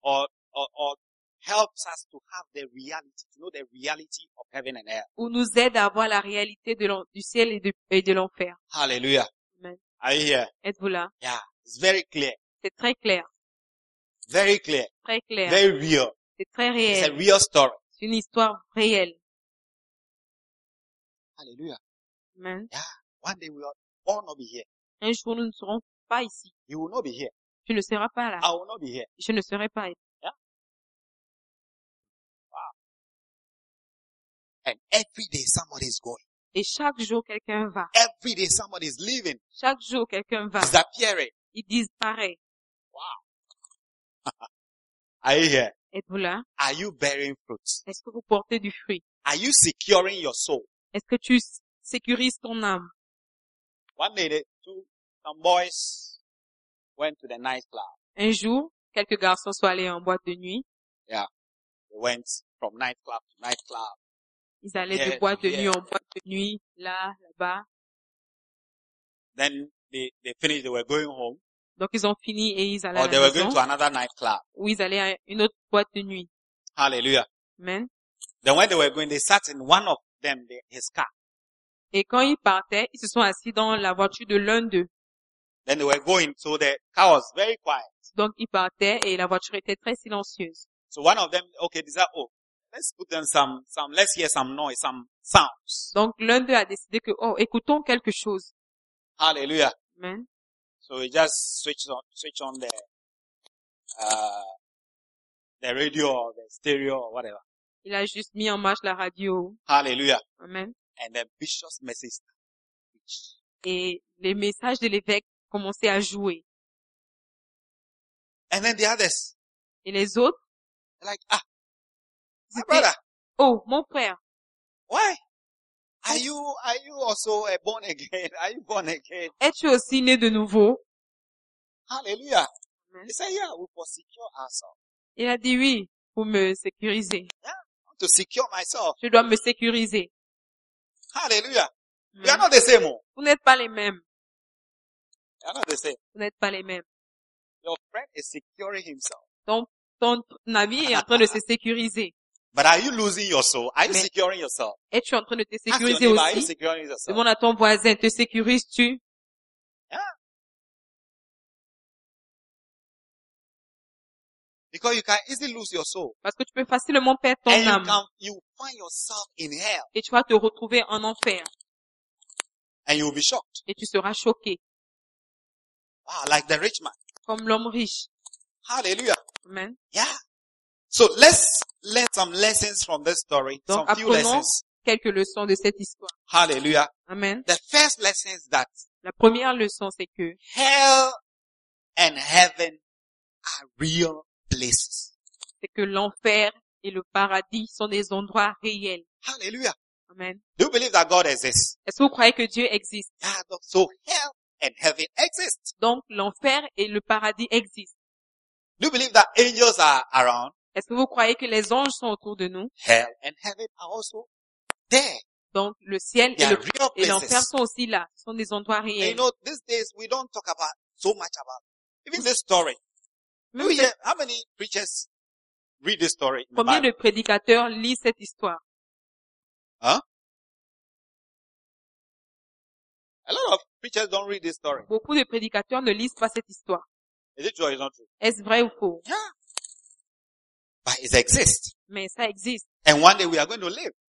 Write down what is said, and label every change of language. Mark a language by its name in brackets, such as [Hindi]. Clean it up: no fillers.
[English] Or helps us to have the reality, to know the reality of heaven and hell. [French] Ou nous aide à voir la réalité du ciel et de l'enfer. [English] Hallelujah. Amen. Are you here? [French] Êtes-vous là? [English] Yeah, it's very clear. [French] C'est très clair. [English] Very clear. [French] Très clair. [English] Very real. [French] C'est très réel. [English] It's a real story. [French] C'est une histoire réelle. [English] Hallelujah. Amen. Yeah, one day we will all not be here. [French] Un jour nous ne serons pas ici. [English] You will not be here. [French] Tu ne seras pas là. [English] I will not be here. [French] Je ne serai pas ici. [English] And every day somebody is going. [French] Et chaque jour quelqu'un va. [English] Every day somebody is leaving. [French] Chaque jour quelqu'un va. [English] Disappearing. [French] Il disparaît. [English] Wow. Are you here? [French] Êtes-vous là? [English] Are you bearing fruit? [French] Est-ce que vous portez du fruit? [English] Are you securing your soul? [French] Est-ce que tu sécurises ton âme? [English] One day, some boys went to the nightclub. [French] Un jour, quelques garçons sont allés en boîte de nuit. Yeah. [English] They went from nightclub to nightclub. [French] Ils allaient de boîte de nuit en boîte de nuit, là, là-bas. [English] Then they finished, they were going home. [French] Donc ils ont fini et ils allaient [English] or they [French] à la [English] were [French] maison. [English] Going to another nightclub. [French] Ou ils allaient à une autre boîte de nuit. [English] Hallelujah. Amen. Then when they were going, they sat in one of them, his car. [French] Et quand ils partaient, ils se sont assis dans la voiture de l'un d'eux. [English] Then they were going, so the car was very quiet. [French] Donc ils partaient et la voiture était très silencieuse. [English] So one of them, okay, they said, oh, let's put them some, let's hear some noise, some sounds. [French] Donc l'un d'eux a décidé que, oh, écoutons quelque chose. [English] Hallelujah. Amen. So he just switched on the radio or the stereo or whatever. [French] Il a juste mis en marche la radio. [English] Hallelujah. Amen. And the vicious message. [French] Et les messages de l'évêque commençaient à jouer. [English] And then the others. [French] Et les autres. [English] Like, ah. My brother. [French] Oh, mon frère. [English] Why? Are you also born again? Are you born again? [French] Es-tu aussi né de nouveau? [English] Hallelujah. Amen. He said, yeah, we will secure ourselves. [French] Il a dit oui, pour me sécuriser. [English] Yeah, to secure myself. [French] Je dois me sécuriser. [English] Hallelujah. Amen. We are not the same. [French] Vous n'êtes pas les mêmes. [English] We are not the same. [French] Vous n'êtes pas les mêmes. [English] Your friend is securing himself. [French] Ton ami est en train de se sécuriser. [English] But are you losing your soul? Are you [French] mais [English] securing yourself? [French] Es-tu en train de te sécuriser aussi? [English] Are you securing yourself? [French] Demande à ton voisin, te sécurises-tu? Yeah. [English] Because you can easily lose your soul. [French] Parce que tu peux facilement perdre ton [English] and [French] âme. [English] You find yourself in hell. [French] Et tu vas te retrouver en enfer. [English] And you will be shocked. [French] Et tu seras choqué. [English] Wow, like the rich man. [French] Comme l'homme riche. [English] Hallelujah. Amen. Yeah. So let's learn some lessons from this story. [French] Donc, [English] some few lessons. [French] Quelques leçons de cette histoire. [English] Hallelujah. Amen. The first lesson is that [French] la première leçon, c'est que [English] hell and heaven are real places. [French] C'est que l'enfer et le paradis sont des endroits réels. [English] Hallelujah. Amen. Do you believe that God exists? [French] Est-ce que vous croyez que Dieu existe? [English] Yeah, so hell and heaven exist. [French] Donc l'enfer et le paradis existent. [English] Do you believe that angels are around? [French] Est-ce que vous croyez que les anges sont autour de nous? [English] Hell and heaven are also there. [French] Donc le ciel et l'enfer sont aussi là. Ce sont des endroits réels. [English] And you know, these days we don't talk about so much about even this story. Do you hear, how many preachers read this story? [French] Combien de prédicateurs lisent cette histoire? Hein? [English] A lot of preachers don't read this story. [French] Beaucoup de prédicateurs ne lisent pas cette histoire. [English] Is it true or is it not true? [French] Est-ce vrai ou faux? [English] Yeah. But it exists. [French] Mais ça existe. [English] And one day we are going to live.